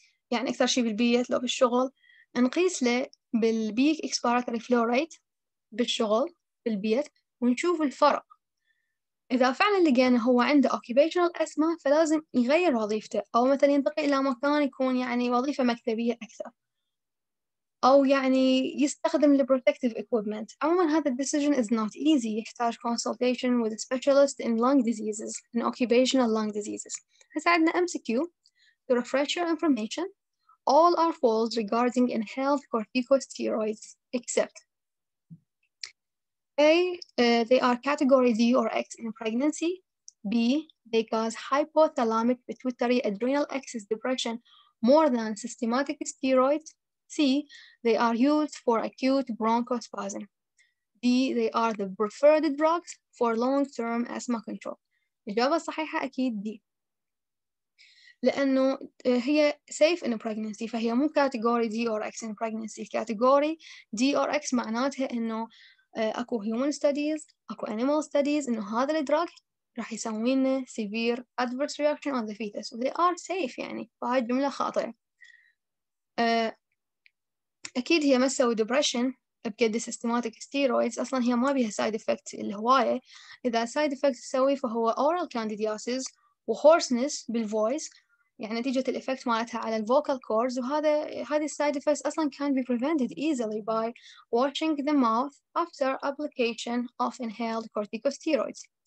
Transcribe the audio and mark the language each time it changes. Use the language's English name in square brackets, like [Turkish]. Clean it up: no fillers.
[Arabic] يعني أكثر شيء بالبيت لو بالشغل نقيس له بالبيك إكسبيراتوري فلو ريت بالشغل بالبيت ونشوف الفرق. إذا فعلا لقينا هو عنده occupational asthma فلازم يغير وظيفته أو مثلا ينتقل إلى مكان يكون يعني وظيفة مكتبية أكثر أو يعني يستخدم protective equipment. عموما هذا [English] decision is not easy, [Arabic] يحتاج [English] consultation with a specialist in lung diseases, in occupational lung diseases. [Arabic] هساعدنا [English] MCQ to refresh your information, all are false regarding inhaled corticosteroids, except A, they are category D or X in pregnancy, B, they cause hypothalamic pituitary adrenal axis depression more than systematic steroids, C, they are used for acute bronchospasm, D, they are the preferred drugs for long-term asthma control. [Arabic] الإجابة الصحيحة أكيد D. لأنه هي [English] safe in pregnancy [Arabic] فهي مو [English] category D or X in pregnancy. [Arabic] category D or X معناتها إنه أكو human studies أكو animal studies إنه هذا الدراج راح يسوين [English] severe adverse reaction on the fetus they are safe [Arabic] يعني فهي جملة خاطئة. أكيد هي ما تسوي depression بقد systematic steroids أصلا هي ما بيها side effects الهواية. إذا side effects تسوي فهو oral candidiasis و hoarseness بالvoice يعني نتيجة الإفكت مالتها على الفوكال كورز وهذه السايد إفكت أصلاً [English] can be prevented easily by washing the mouth after application of inhaled corticosteroids.